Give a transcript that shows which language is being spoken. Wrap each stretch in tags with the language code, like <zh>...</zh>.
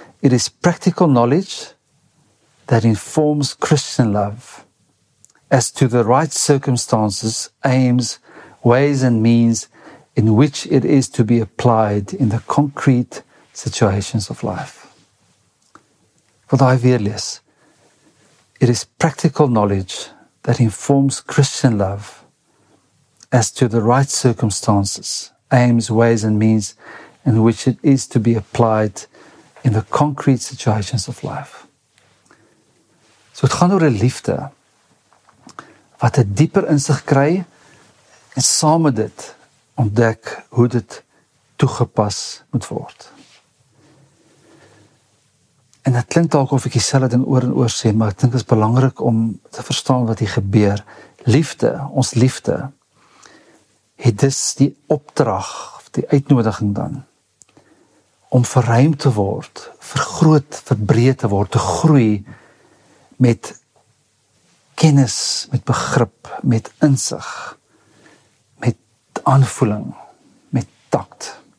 <en>It is practical knowledge that informs Christian love as to the right circumstances, aims, ways and means in which it is to be applied in the concrete situations of life.</en> <af>Wil daai weer lees?</af> <en>It is practical knowledge that informs Christian love as to the right circumstances, aims, ways and means in which it is to be applied in the concrete situations of life.</en> <af>So het gaan oor 'n liefde wat 'n dieper insig kry en saam met dit ontdek hoe dit toegepas moet word. En dit klink dalk of ek dieselfde ding oor en oor sê, maar ek dink dit is belangrik om te verstaan wat hier gebeur. Liefde, ons liefde, het dus die opdrag, die uitnodiging dan, om verruim te word, vergroot, verbreed te word, te groei met kennis, met begrip, met insig, met aanvoeling, met takt.</af>